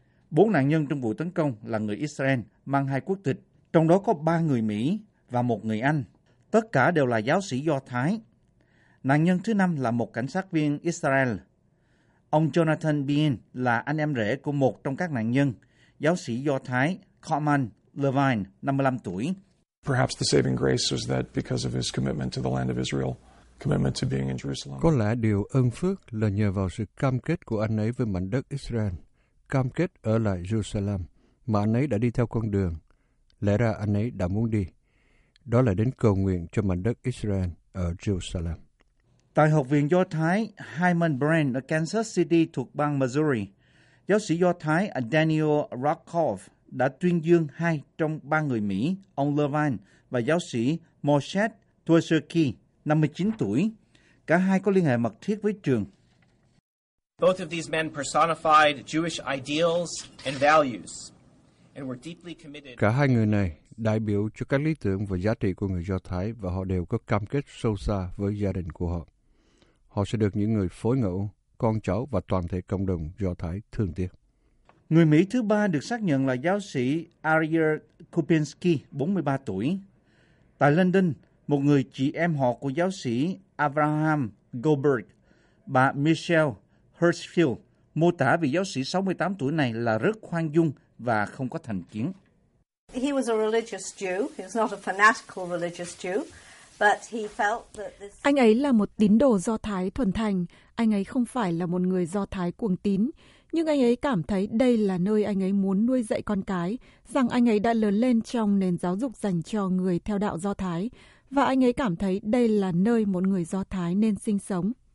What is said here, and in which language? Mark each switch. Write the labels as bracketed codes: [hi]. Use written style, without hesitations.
[vi] 4 nạn nhân trong vụ tấn công là người Israel mang hai quốc tịch, trong đó có 3 người Mỹ và 1 người Anh. Tất cả đều là giáo sĩ Do Thái. Nạn nhân thứ 5 là một cảnh sát viên Israel. Ông Jonathan Bean là anh em rể của một trong các nạn nhân, giáo sĩ Do Thái Carmen Levine, 55 tuổi. [en] Perhaps the saving grace was that because of his commitment to the land of Israel, commitment to being in Jerusalem. [vi] Có lẽ điều ân phước là nhờ vào sự cam kết của anh ấy với mảnh đất Israel, cam kết ở lại Jerusalem, mà anh ấy đã đi theo con đường. Lẽ ra anh ấy đã muốn đi. Đó là đến cầu nguyện cho mảnh đất Israel ở Jerusalem. Tại Học viện Do Thái Hyman Brand ở Kansas City thuộc bang Missouri, giáo sĩ Do Thái Daniel Rakoff đã tuyên dương 2 trong 3 người Mỹ, ông Levine và giáo sĩ Moshe Twersky, 59 tuổi. Cả hai có liên hệ mật thiết với trường. [en] Both of these men personified Jewish ideals and values and were deeply committed. [vi] Cả hai người này đại biểu cho các lý tưởng và giá trị của người Do Thái và họ đều có cam kết sâu xa với gia đình của họ. Họ sẽ được những người phối ngẫu, con cháu và toàn thể cộng đồng Do Thái thương tiếc. Người Mỹ thứ 3 được xác nhận là giáo sĩ Ariel Kupinski, 43 tuổi. Tại London, một người chị em họ của giáo sĩ Abraham Goldberg, bà Michelle Hirschfield, mô tả vị giáo sĩ 68 tuổi này là rất khoan dung và không có thành kiến. [en] He was a religious Jew. He was not a fanatical religious Jew, but he felt that this. [vi] Anh ấy là một tín đồ Do Thái thuần thành. Anh ấy không phải là một người Do Thái cuồng tín, nhưng anh ấy cảm thấy đây là nơi anh ấy muốn nuôi dạy con cái, rằng anh ấy đã lớn lên trong nền giáo dục dành cho người theo đạo Do Thái và anh ấy cảm thấy đây là nơi một người Do Thái nên sinh sống.